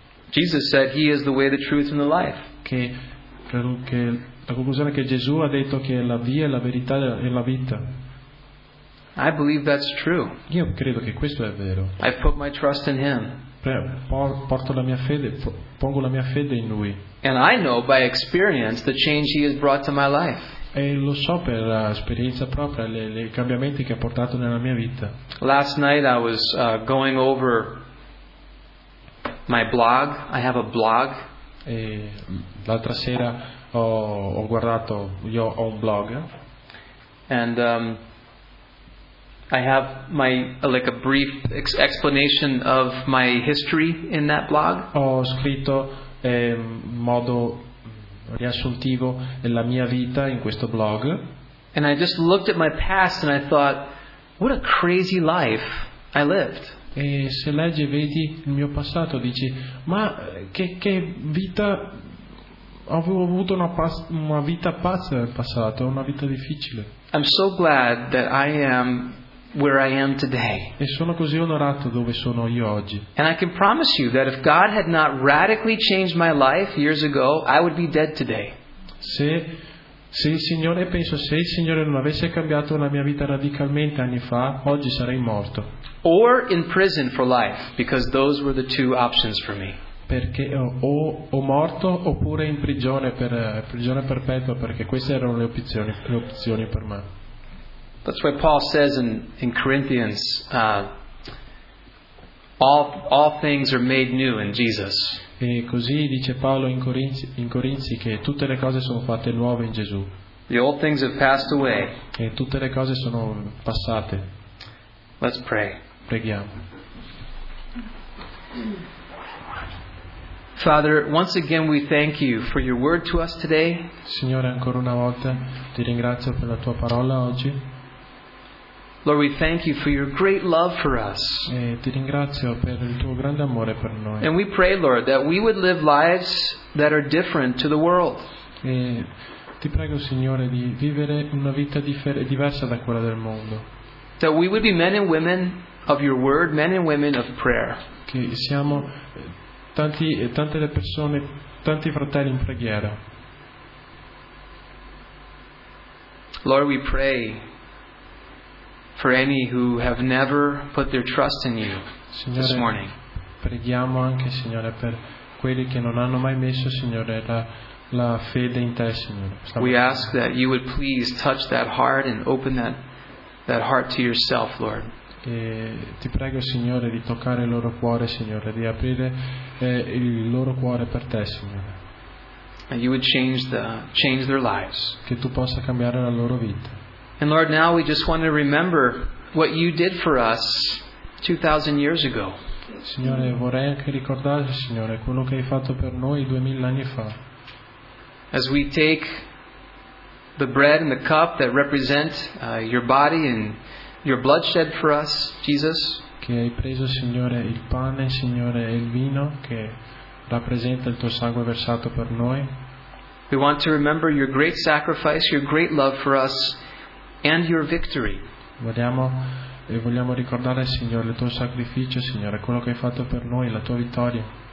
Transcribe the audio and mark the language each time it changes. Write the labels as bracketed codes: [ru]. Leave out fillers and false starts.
[en] Jesus said he is the way, the truth and the life. [it] Che credo che la conclusione è che Gesù ha detto che è la via, la verità e la vita. [en] I believe that's true. [it] Io credo che questo è vero. [en] I put my trust in him. [it] Porto la mia fede, pongo la mia fede in lui. [en] And I know by experience the change he has brought to my life. [it] E lo so per esperienza propria i cambiamenti che ha portato nella mia vita. [en] Last night I was going over my blog. I have a blog. [it] E l'altra sera ho guardato, io ho un blog. [en] And I have my like a brief explanation of my history in that blog. [it] Ho scritto in modo riassuntivo la mia vita in questo blog. [en] And I just looked at my past and I thought, what a crazy life I lived. [it] E se leggi e vedi il mio passato, dici, ma che vita avevo avuto, una vita pazza nel passato, una vita difficile. [en] I'm so glad that I am where I am today. [it] E sono così onorato dove sono io oggi. [en] And I can promise you that if God had not radically changed my life years ago, I would be dead today. [it] Se il Signore, penso, se il Signore non avesse cambiato la mia vita radicalmente anni fa, oggi sarei morto. [en] Or in prison for life, because those were the two options for me. [it] Perché o morto oppure in prigione perpetua, perché queste erano le opzioni per me. [en] That's why Paul says in Corinthians, all things are made new in Jesus. [it] E così dice Paolo in Corinzi che tutte le cose sono fatte nuove in Gesù. [en] The old things have passed away. [it] E tutte le cose sono passate. [en] Let's pray. [it] Preghiamo. [en] Father, once again we thank you for your word to us today. [it] Signore, ancora una volta ti ringrazio per la tua parola oggi. [en] Lord, we thank you for your great love for us. [it] E ti ringrazio per il tuo grande amore per noi. [en] And we pray, Lord, that we would live lives that are different to the world. [it] E ti prego, Signore, di vivere una vita diversa da quella del mondo. [en] That we would be men and women of your word, men and women of prayer. [it] Che siamo tante le persone, tanti fratelli in preghiera. [en] Lord, we pray for any who have never put their trust in you, [it] Signore, [en] this morning. [it] Preghiamo anche, Signore, per quelli che non hanno mai messo, Signore, la fede in te, Signore. [en] We ask that you would please touch that heart and open that heart to yourself, Lord. [it] E ti prego, Signore, di toccare il loro cuore, Signore, di aprire il loro cuore per te, Signore. [en] That you would change their lives. [it] Che tu possa cambiare la loro vita. [en] And Lord, now we just want to remember what you did for us 2,000 years ago. [it] Signore, vorrei anche ricordare, Signore, quello che hai fatto per noi 2,000 anni fa. [en] As we take the bread and the cup that represent your body and your blood shed for us, Jesus. [it] Che hai preso, Signore, il pane, Signore, e il vino che rappresenta il tuo sangue versato per noi. [en] We want to remember your great sacrifice, your great love for us. And your victory. [it] Vogliamo ricordare, Signore, il tuo sacrificio, Signore, quello che hai fatto per noi, la tua vittoria.